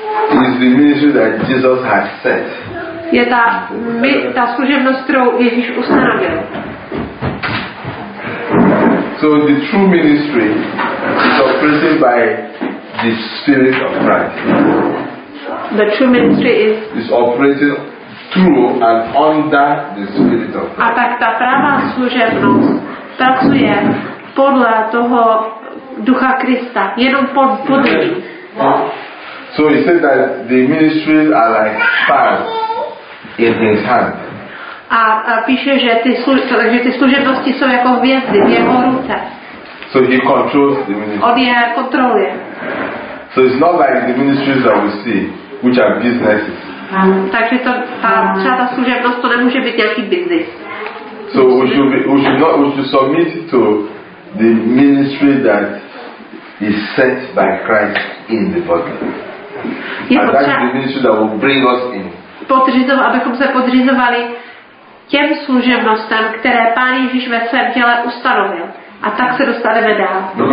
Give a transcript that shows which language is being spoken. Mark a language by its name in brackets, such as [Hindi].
[English] Is the ministry that Jesus has set. [Czech] Je ta, ta služebnost, kterou Ježíš ustanovil. [English] So the true ministry is operated by the Spirit of Christ. The true ministry is operated through and under the Spirit of Christ. [Czech] A tak ta pravá služebnost pracuje podle toho Ducha Krista, jenom pod ním. [English] So he said that the ministries are like fans in his hand. [Czech] A píše, že ty, takže ty služebnosti jsou jako hvězdy v jeho ruce. [English] So he controls the ministry. [Czech] On je kontroluje. [English] So it's not like the ministries that we see, which are businesses. [Czech] Takže to, ta, třeba ta služebnost, to nemůže být nějaký business. [English] So we should submit to the ministry that is set by Christ in the body. [Czech] Je [English] and that's the ministry that will bring us in. [Czech] Abychom se podřizovali těm služebnostem, které Pán Ježíš ve svém těle ustanovil. A tak se dostaneme dál.